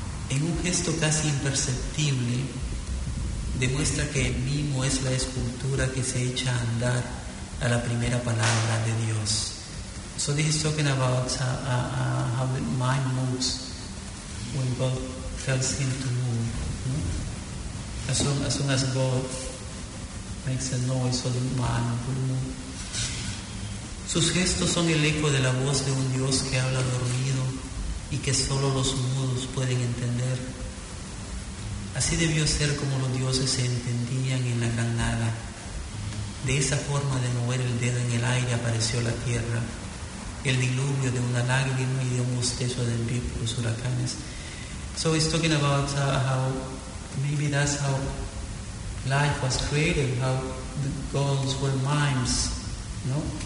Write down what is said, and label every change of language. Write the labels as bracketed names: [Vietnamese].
[Spanish] En un gesto casi imperceptible, demuestra que el mimo es la escultura que se echa a andar a la primera palabra de Dios. [English] So this is talking about how the mind moves when God tells him to move. No? As soon as God makes a noise, the mind will move. [Spanish] Sus gestos son el eco de la voz de un Dios que habla dormido y que solo los mudos pueden entender. Así debió ser como los dioses se entendían en la gran nada. De esa forma de mover el dedo en el aire apareció la tierra, el diluvio de una lágrima y de un bostezo de envío por los huracanes. [English] So he's talking about how maybe that's how life was created, how the gods were mimes, no?